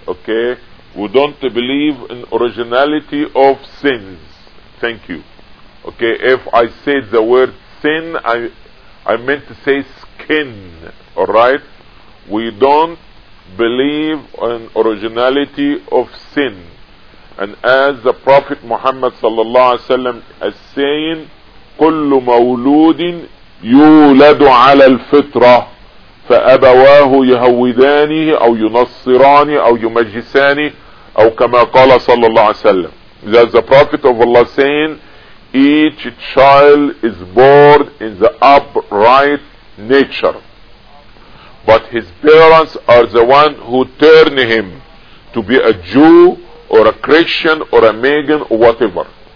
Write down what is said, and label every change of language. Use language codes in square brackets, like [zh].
[en] Okay, we don't believe in originality of sins. Thank you. Okay, if I said the word sin, I meant to say skin. Alright, we don't believe in originality of sin. And as the Prophet Muhammad sallallahu alaihi wasallam is saying, [ar] كُلُّ مَوْلُودٍ يُولَدُ عَلَى الْفِطْرَةِ فَأَبَوَاهُ يَهَوِّدَانِهِ أَوْ يُنَصِّرَانِهِ أَوْ يُمَجِّسَانِهِ أَوْ كَمَا قَالَ صَلَّى اللَّهُ عَلَيْهِ وَسَلَّمَ. [en] That the Prophet of Allah saying, each child is born in the upright nature, but his parents are the one who turn him to be a Jew or a Christian or a Magan or whatever.